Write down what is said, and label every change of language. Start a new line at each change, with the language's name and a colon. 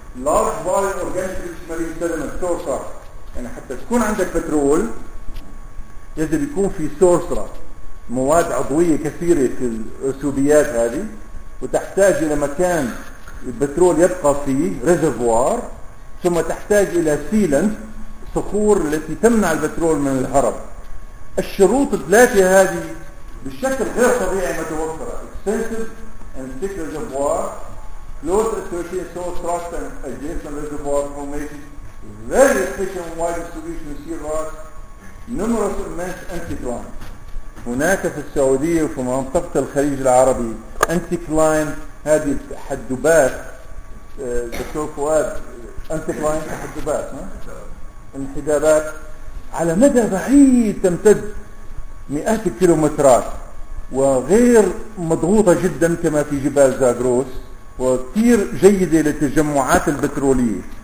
English: Large volume organic marine sediment source،
Arabic: يعني حتى تكون عندك بترول يجب يكون في source rock، مواد عضوية كثيرة في الأسوبيات هذه، وتحتاج إلى مكان البترول يبقى فيه ريزرفوار، ثم تحتاج إلى سيلنت صخور التي تمنع البترول من الهرب. الشروط الثلاثة هذه بشكل غير طبيعي متوفرة،
English: extensive and thick reservoir close associated source rock and adjacent reservoir formation very efficient wide distribution sea rock numerous immense anticline.
Arabic: هناك في السعودية وفي منطقة الخليج العربي انتيكلاين، هذه تحدبات دكتور فؤاد، انتيكلاين تحدبات انحدابات على مدى بعيد تمتد مئات الكيلومترات وغير مضغوطة جدا كما في جبال زاغروس، وكثير جيدة للتجمعات البترولية.